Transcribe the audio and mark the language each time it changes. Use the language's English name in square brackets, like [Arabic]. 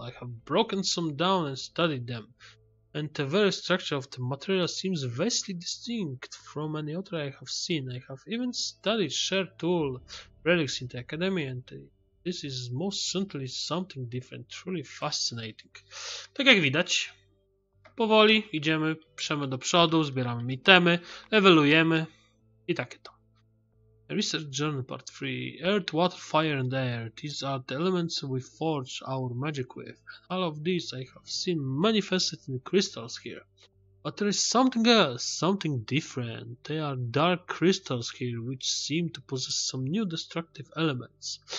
[English] I have broken some down and studied them. And the very structure of the material seems vastly distinct from any other I have seen. I have even studied shared tool relics in the academy, and this is most certainly something different, truly fascinating. [Polish] Tak jak widać, powoli idziemy, przemy do przodu, zbieramy itemy, ewoluujemy i takie to. [English] Research Journal Part 3. Earth, Water, Fire and Air. These are the elements we forge our magic with. All of these I have seen manifested in crystals here. But there is something else, something different. They are dark crystals here which seem to possess some new destructive elements.